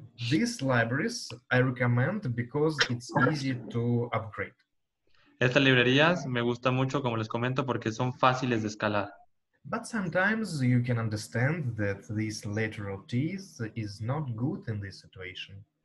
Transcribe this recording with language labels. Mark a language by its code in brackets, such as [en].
[en] These libraries I recommend because it's easy to upgrade. [es] Estas librerías me gustan mucho, como les comento, porque son fáciles de escalar. [en] But sometimes you can understand that this lateral teeth is not good in this situation.